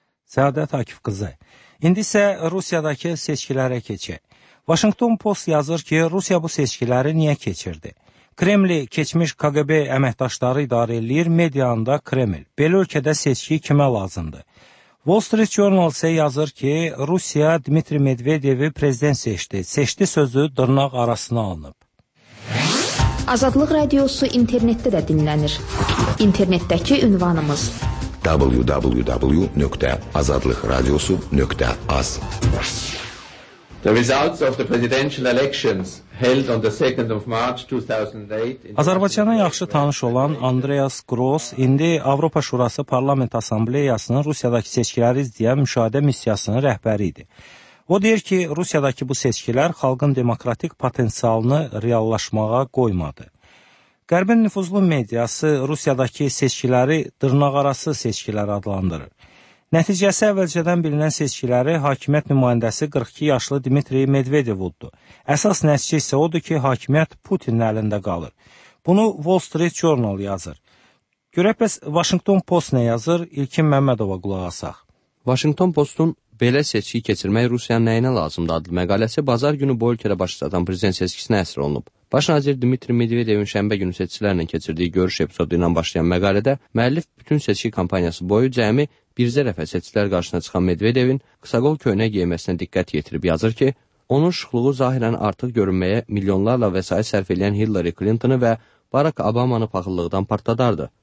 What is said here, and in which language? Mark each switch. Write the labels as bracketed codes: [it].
[az] Səadət Akifqızı, indi isə Rusiyadakı seçkilərə keçək. Washington Post yazır ki, Rusiya bu seçkiləri niyə keçirdi? Kremli keçmiş KGB əməkdaşları idarə edir, medianda Kreml. Belə ölkədə seçki kimə lazımdır? Wall Street Journal isə yazır ki, Rusiya Dmitri Medvedevi prezident seçdi. Seçdi sözü dırnaq arasına alınıb. Azadlıq radiosu internetdə də dinlənir. İnternetdəki ünvanımız www.azadlıqradiosu.az. [en] The results of the presidential elections held on the 2nd of March 2008. [az] Azərbaycana yaxşı tanış olan Andreas Gross indi Avropa Şurası Parlament Assambleyasının Rusiyadakı seçkiləri izləyən müşahidə missiyasının rəhbəri idi. O deyir ki, Rusiyadakı bu seçkilər xalqın demokratik potensialını reallaşmağa qoymadı. Qərbin nüfuzlu mediası Rusiyadakı seçkiləri dırnaqarası seçkilər adlandırır. Nəticəsi əvvəlcədən bilinən seçkiləri hakimiyyət nümayəndəsi 42 yaşlı Dmitri Medvedev uddu. Əsas nəticə isə odur ki, hakimiyyət Putinin əlində qalır. Bunu Wall Street Journal yazır. Görək bəs Washington Post nə yazır? İlkin Məmmədova qulaq asaq. Washington Postun belə seçki keçirmək Rusiyanın nəyinə lazımdır adlı məqaləsi bazar günü bu ölkədə baş tutan prezident seçkisinə əsr olunub. Baş nazir Dmitri Medvedevin şənbə günü seçicilərlə keçirdiyi görüş epizodu ilə başlayan məqalədə müəllif bütün seçki kampaniyası boyu cəmi bircə dəfə seçicilər qarşısına çıxan Medvedevin qısaqol köynə geyməsinə diqqət yetirib yazır ki, onun şıxlığı zahirən artıq görünməyə milyonlarla vəsait sərf edən Hillary Clintonu və Barack Obamanı paxıllıqdan partladardı.